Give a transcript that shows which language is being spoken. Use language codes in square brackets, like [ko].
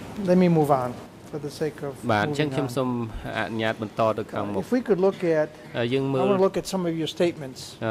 [en] Let me move on for the sake of [km] បាទ អញ្ចឹង ខ្ញុំ សូម អនុញ្ញាត បន្ត ទៅ ខាង មុខ. [en] If we could look at [km] យើង មើល [en] I want to look at some of your statements.